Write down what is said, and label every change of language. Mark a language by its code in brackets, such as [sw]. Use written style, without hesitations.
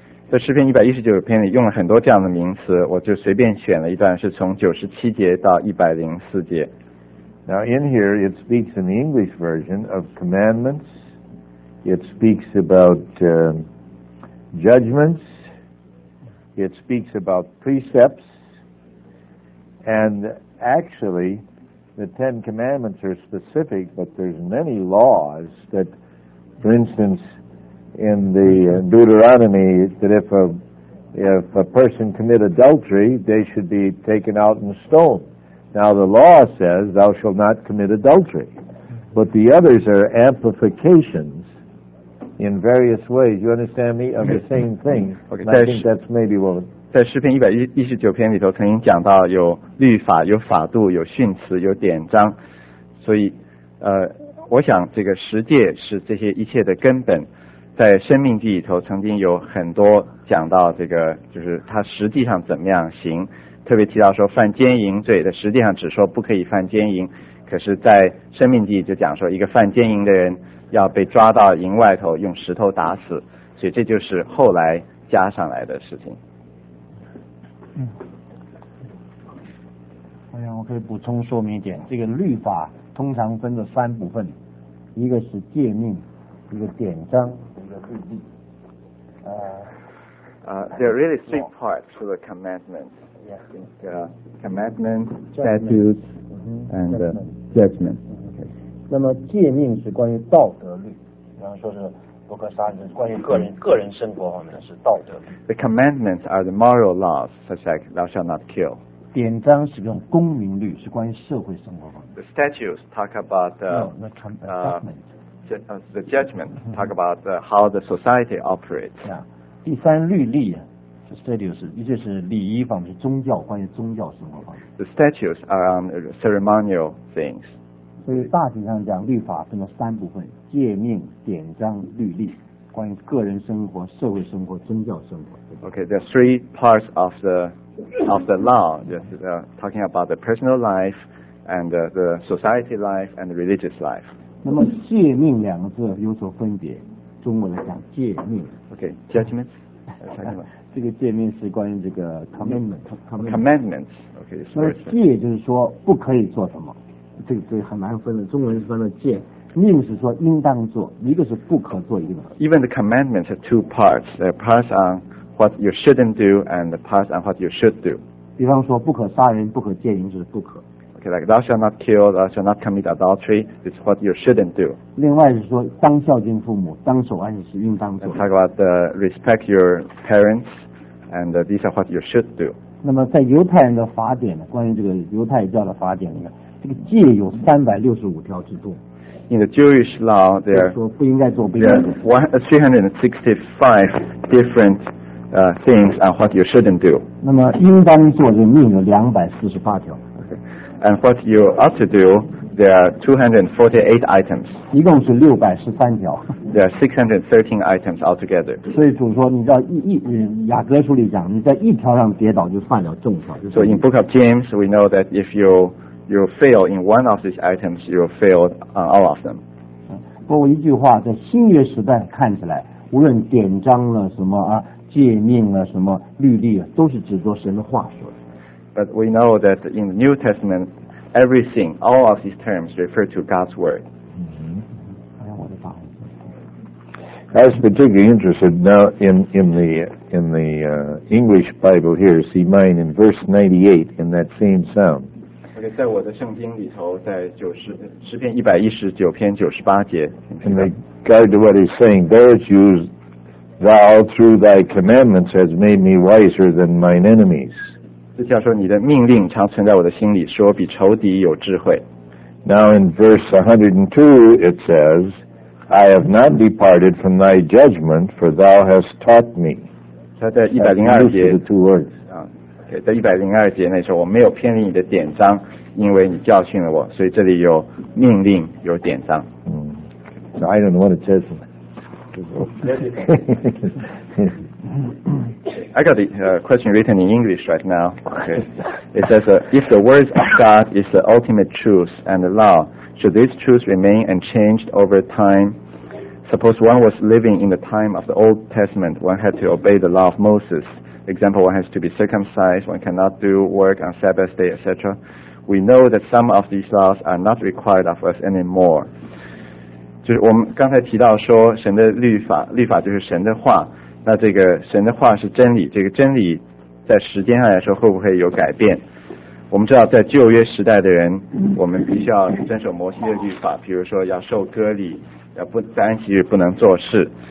[zh] 在诗篇119篇里用了很多这样的名词，我就随便选了一段，是从97节到104节。 [en] Now in here it speaks in the English version of commandments, it speaks about judgments, it speaks about precepts, and actually,The Ten Commandments are specific, but there's many laws that, for instance, in the Deuteronomy, that if a person commit adultery, they should be taken out and stoned. Now the law says, thou shalt not commit adultery. But the others are amplifications in various ways, you understand me, of the same thing. Okay, I think that's maybe what... [zh] 在诗篇119篇里头曾经讲到有律法、有法度、有训词、有典章，所以我想这个十诫是这些一切的根本。在生命记里头曾经有很多讲到这个，就是它实际上怎么样行，特别提到说犯奸淫罪的，实际上只说不可以犯奸淫，可是在生命记就讲说一个犯奸淫的人要被抓到营外头用石头打死，所以这就是后来加上来的事情。好像我可以补充说明一点，这个律法通常分了三部分，一个是诫命，一个典章，一个律例。 [en] There are really three parts to the commandment. Yes. Commandment, statutes, and judgment. Okay. [zh] 那么诫命是关于道德律，比方说是不可杀人，关于个人生活方面是道德律。 [en] The commandments are the moral laws, such as thou shalt not kill. [zh] 典章是用公民律，是关于社会生活方面。 [en] The statutes talk about the judgment talk about how the society operates. [zh] Yeah. 第三律例 ， [en] the statutes [zh] 一些是礼仪方面，宗教关于宗教生活方面。 [en] The statutes are on ceremonial things. [zh] 所以大体上讲律法分了三部分，诫命、典章、律例，关于个人生活、社会生活、宗教生活。 [en] Okay, there are three parts of the law, just talking about the personal life and the society life and the religious life. [zh] 那么诫命两个字有所分别，中文来讲诫命。 [en] Okay, judgment. [zh] 这个诫命是关于这个 commandment. [en] Commandments. Okay. [zh] 那么诫就是说不可以做什么。这个很难分的，中文是分了戒，命是说应当做，一个是不可做，一个。 [en] Even the commandments have two parts. There are parts on what you shouldn't do and the parts on what you should do. [zh] 比方说，不可杀人，不可奸淫，就是不可。 [en] Okay, like thou shalt not kill, thou shalt not commit adultery. It's what you shouldn't do. [zh] 另外是说，当孝敬父母，当守安息是应当做。 [en] Talk about the respect your parents, and these are what you should do. [zh] 那么在犹太人的法典呢，关于这个犹太教的法典里面。这个戒有365条之多。 [en] In the Jewish law, there are [zh] 不应该做，不应该做。 [en] 365 different things on what you shouldn't do. [zh] 那么应当做的命有248条。 [en] Okay. And what you ought to do, there are 248 items. [zh] 一共是613条。 [en] There are 613 items altogether. [zh] 所以主说，你知道雅各书里讲，你在一条上跌倒就犯了重条。 [en] So in Book of James, we know that if you fail in one of these items, you fail on all of them. [zh] 不过一句话，在新约时代看起来，无论典章了什么啊，诫命了什么，律例啊，都是指着神的话说的。 [en] But we know that in the New Testament, everything, all of these terms refer to God's word. [zh] 嗯，哎，我的爸。 [en] I was particularly interested now in the English Bible here. See mine in verse 98 in that same psalm. [zh] Okay, 在我的圣经里头，在诗篇119篇98节。 [en] In regard to what he's saying, there it's used, thou through thy commandments has made me wiser than mine enemies. [zh] 这叫说你的命令常存在我的心里，说比仇敌有智慧。 [en] Now in verse 102 it says, I have not departed from thy judgment, for thou hast taught me. [zh] 他在102节。 Okay, 在102节那时候，我没有偏离你的典章，因为你教训了我，所以这里有命令，有典章。 [en] 嗯、mm. so ，I don't know what it says. I got the question written in English right now. Okay, it says, if the words of God is the ultimate truth and the law, should this truth remain unchanged over time? Suppose one was living in the time of the Old Testament, one had to obey the law of Moses. Example, one has to be circumcised, one cannot do work on Sabbath day, etc. We know that some of these laws are not required of us anymore. [zh] 就是我们刚才提到说神的律法就是神的话，那这个神的话是真理，这个真理在时间上来说会不会有改变？我们知道在旧约时代的人，我们必须要遵守摩西的律法，比如说要受割礼，要不在安息日不能做事。